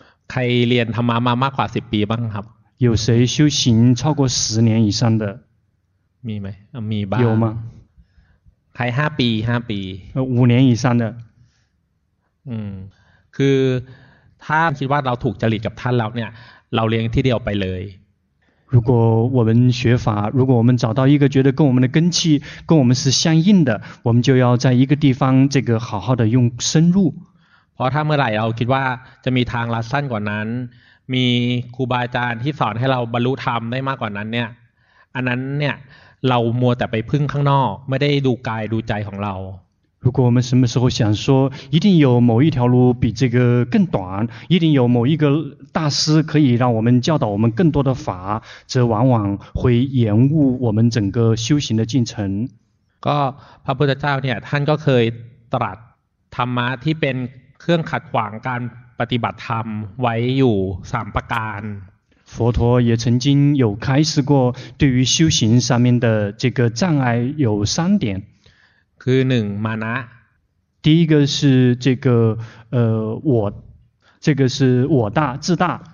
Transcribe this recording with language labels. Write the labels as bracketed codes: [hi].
[th] ใครเรียนธรรมะมามากกว่า10ปีบ้างครับ [zh] 有谁修行超过十年以上的 [th] มีไหมมีบ้าง [zh] 有吗 [th] ใคร5ปี5ปี [zh] 5年以上的 [th] คือถ้าคิดว่าเราถูกจริตกับท่านแล้วเนี่ยเราเรียนที่เดียวไปเลย [zh] 如果我们学法如果我们找到一个觉得跟我们的根器跟我们是相应的我们就要在一个地方这个好好的用深入 [th] เพราะถ้าเมื่อไหร่เราคิดว่าจะมีทางลัดสั้นกว่านั้นมีครูบาอาจารย์ที่สอนให้เราบรรลุธรรมได้มากกว่านั้นเนี่ยอันนั้นเนี่ยเรามัวแต่ไปพึ่งข้างนอกไม่ได้ดูกายดูใจของเรา [zh] 如果我们什么时候想说一定有某一条路比这个更短一定有某一个大师可以让我们教导我们更多的法则往往会延误我们整个修行的进程 [th] ก็พระพุทธเจ้าเนี่ยท่านก็เคยตรัสธรรมะที่เป็นเครื่องขัดขวางการปฏิบัติธรรมไว้อยู่3ประการ [zh] 佛陀也曾经有开示过对于修行上面的这个障碍有三点 [th] คือ1มานะ [zh] 第一个是这个我这个是我大自大